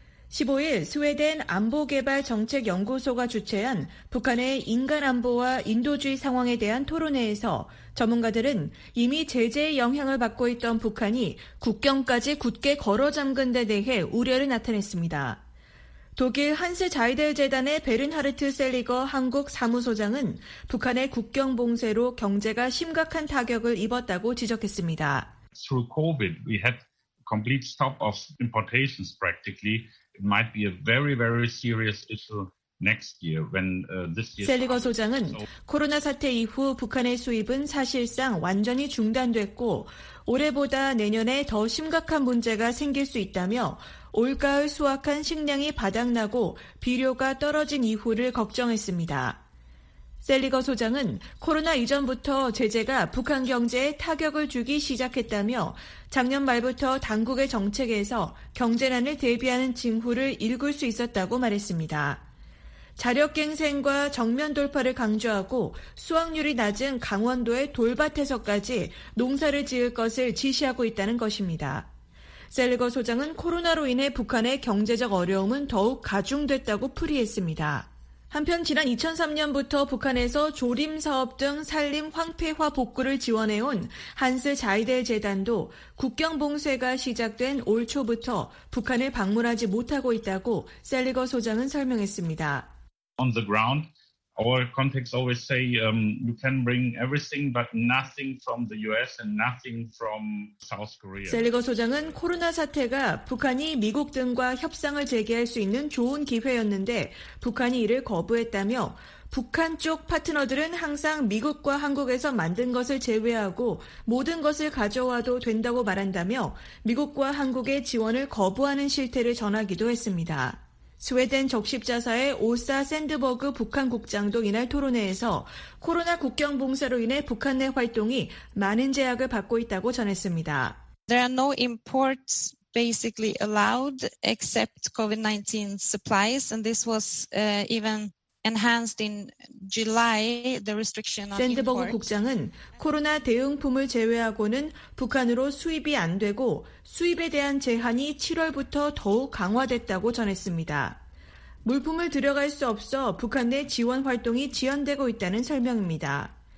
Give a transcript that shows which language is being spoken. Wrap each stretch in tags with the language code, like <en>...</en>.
<ko>15일 스웨덴 안보개발정책연구소가 주최한 북한의 인간안보와 인도주의 상황에 대한 토론회에서 전문가들은 이미 제재의 영향을 받고 있던 북한이 국경까지 굳게 걸어잠근 데 대해 우려를 나타냈습니다. 독일 한스자이델재단의 베른하르트 셀리거 한국사무소장은 북한의 국경 봉쇄로 경제가 심각한 타격을 입었다고 지적했습니다.</ko> <en>Through COVID, we had complete stop of importations practically. It might be a very, very serious issue next year when this year.</en> <ko>셀리거 소장은 코로나 사태 이후 북한의 수입은 사실상 완전히 중단됐고 올해보다 내년에 더 심각한 문제가 생길 수 있다며 올가을 수확한 식량이 바닥나고 비료가 떨어진 이후를 걱정했습니다. 셀리거 소장은 코로나 이전부터 제재가 북한 경제에 타격을 주기 시작했다며 작년 말부터 당국의 정책에서 경제난을 대비하는 징후를 읽을 수 있었다고 말했습니다. 자력갱생과 정면 돌파를 강조하고 수확률이 낮은 강원도의 돌밭에서까지 농사를 지을 것을 지시하고 있다는 것입니다. 셀리거 소장은 코로나로 인해 북한의 경제적 어려움은 더욱 가중됐다고 풀이했습니다. 한편 지난 2003년부터 북한에서 조림사업 등 산림 황폐화 복구를 지원해온 한스자이델재단도 국경 봉쇄가 시작된 올 초부터 북한을 방문하지 못하고 있다고 셀리거 소장은 설명했습니다.</ko> <en>On the ground, our contacts always say you can bring everything but nothing from the US and nothing from South Korea.</en> <ko>셀리거 소장은 코로나 사태가 북한이 미국 등과 협상을 재개할 수 있는 좋은 기회였는데 북한이 이를 거부했다며 북한 쪽 파트너들은 항상 미국과 한국에서 만든 것을 제외하고 모든 것을 가져와도 된다고 말한다며 미국과 한국의 지원을 거부하는 실태를 전하기도 했습니다. 스웨덴 적십자사의 오사 샌드버그 북한 국장도 이날 토론회에서 코로나 국경 봉쇄로 인해 북한 내 활동이 많은 제약을 받고 있다고 전했습니다.</ko> <en>There are no imports basically allowed except COVID-19 supplies, and this was even enhanced in July, the restriction on imports.</en> <ko>샌드버그 국장은 코로나 대응품을 제외하고는 북한으로 수입이 안 되고 수입에 대한 제한이 7월부터 더욱 강화됐다고 전했습니다. 물품을 들여갈 수 없어 북한 내 지원 활동이 지연되고 있다는 설명입니다.</ko>